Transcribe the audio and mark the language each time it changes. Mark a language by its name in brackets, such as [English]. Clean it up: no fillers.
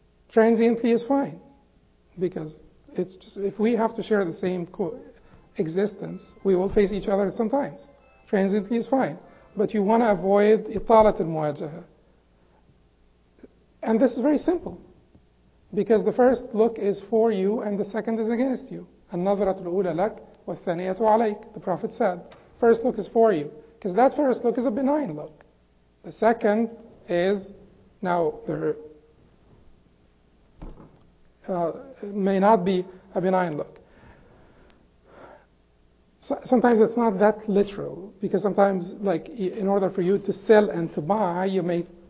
[English] Transiently is fine, because it's just, if we have to share the same existence, we will face each other sometimes. Transiently is fine. But you want to avoid italat al-muwajaha. And this is very simple, because the first look is for you and the second is against you. [Arabic] النَّظْرَةُ الْأُولَى لَكْ وَالثَّانِيَةُ عَلَيْكَ, [English] the Prophet said. First look is for you, because that first look is a benign look. The second is, now there may not be a benign look. Sometimes it's not that literal, because sometimes, like, in order for you to sell and to buy, you may.